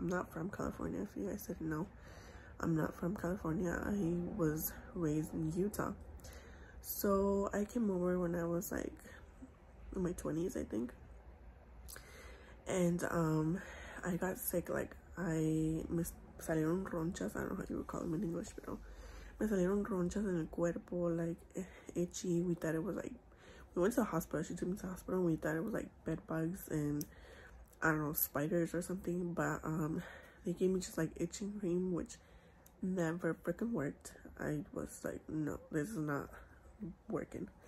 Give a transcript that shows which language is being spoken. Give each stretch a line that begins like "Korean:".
English: I'm not from California, if you guys didn't know. I'm not from California, I was raised in Utah. So, I came over when I was like in my 20s, I think, and I got sick. Like, I
Spanish: salieron ronchas,
English: I don't know how you would call them in English, but.
Spanish: Me salieron ronchas en el cuerpo,
English: like, itchy. We thought it was, like, we went to the hospital. She took me to the hospital, and we thought it was, like, bed bugs and, I don't know, spiders or something. But, they gave me just, like, itching cream, which never freaking worked. I was, like, no, this is not working.